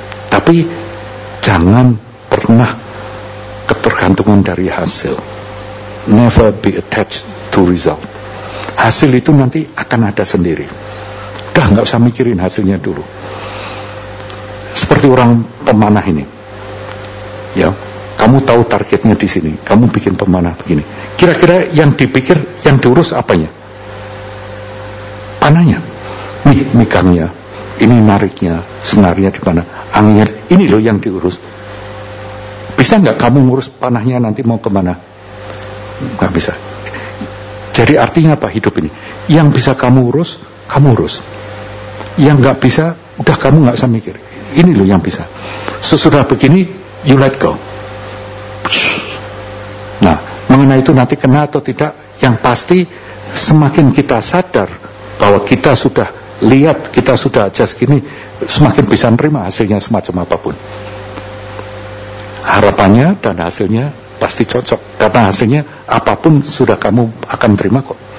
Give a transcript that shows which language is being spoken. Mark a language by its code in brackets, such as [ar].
[id] Tapi jangan pernah ketergantungan dari hasil. [en] Never be attached to result. [id] Hasil itu nanti akan ada sendiri. Dah, gak usah mikirin hasilnya dulu. Seperti orang pemanah ini. Ya, kamu tahu targetnya di sini. Kamu bikin pemanah begini. Kira-kira yang dipikir, yang diurus apanya? Panahnya. Nih, mikangnya. Ini nariknya, senarnya di mana. Anginnya, ini loh yang diurus. Bisa enggak kamu ngurus panahnya nanti mau kemana? Enggak bisa. Jadi artinya apa hidup ini? Yang bisa kamu urus. Yang enggak bisa, udah kamu enggak usah mikir. Ini loh yang bisa. Sesudah begini, [en] you let go. [id] Nah, mengenai itu nanti kena atau tidak, yang pasti semakin kita sadar bahwa kita sudah lihat, kita sudah adjust gini, semakin bisa menerima hasilnya semacam apapun. Harapannya dan hasilnya pasti cocok. Karena hasilnya apapun sudah kamu akan terima kok.